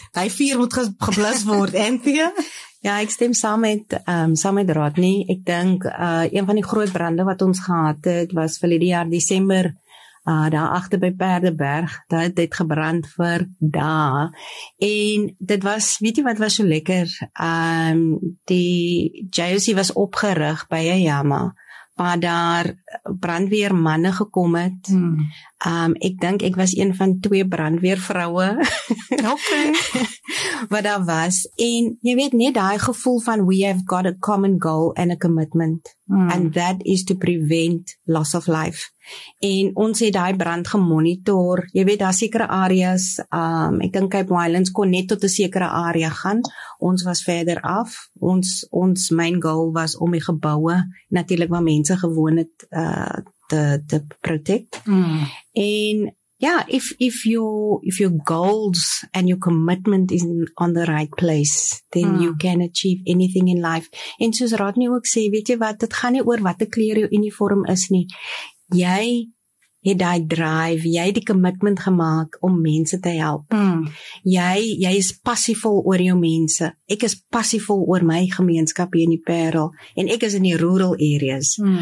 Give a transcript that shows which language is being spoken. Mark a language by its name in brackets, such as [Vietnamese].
[Afrikaans] Daai vuur moet geblus word, Anthea. Ja, ek stem saam met Rodney. Ek dink een van die groot brande wat ons gehad het, was vir die jaar Desember daar agter by Perdeberg. Dit het gebrand vir dae. En dit was, weet jy wat was so lekker? Die JOC was opgerig by 'n jammer. Waar daar brandweermanne gekom het. Ek dink ek was een van twee brandweervroue. Okay. Wat daar was. En jy weet net daai gevoel van [English] we have got a common goal and a commitment. And that is to prevent loss of life. [Afrikaans] En ons het daai brand gemonitor. Jy weet daar sekere areas. Ek dink Cape Islands kon net tot 'n sekere area gaan. Ons was verder af. Ons main goal was om die geboue, natuurlik waar mense gewoon het, te protect. En ja, [English] if your goals and your commitment is on the right place, then you can achieve anything in life. [Afrikaans] En soos Rodney ook sê, weet jy wat, dit gaan nie oor wat 'n kleur jou uniform is nie. Jy het daai drive, jy het die commitment gemaak om mense te help. Jy is passievol oor jou mense. Ek is passievol oor my gemeenskap hier in die Parel en ek is in die rural areas.